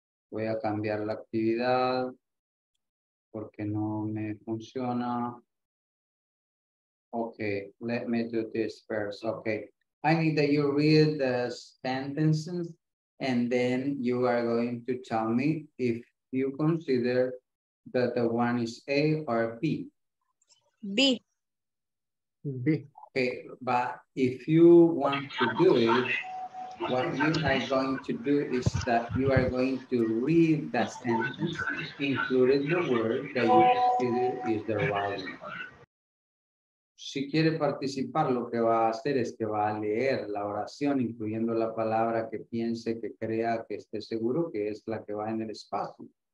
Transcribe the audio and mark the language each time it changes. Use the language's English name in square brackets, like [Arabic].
[Spanish] Voy a cambiar la actividad porque no me funciona. [English] Okay, let me do this first. Okay, I need that you read the sentences and then you are going to tell me if you consider that the one is A or B. B. B. Okay, but if you want to do it, what you are going to do is that you are going to read the sentence, including the word that you see is the right one. [Spanish] Si quiere participar, lo que va a hacer es que va a leer la oración, incluyendo la palabra que piense, que crea, que esté seguro, que es la que va en el espacio.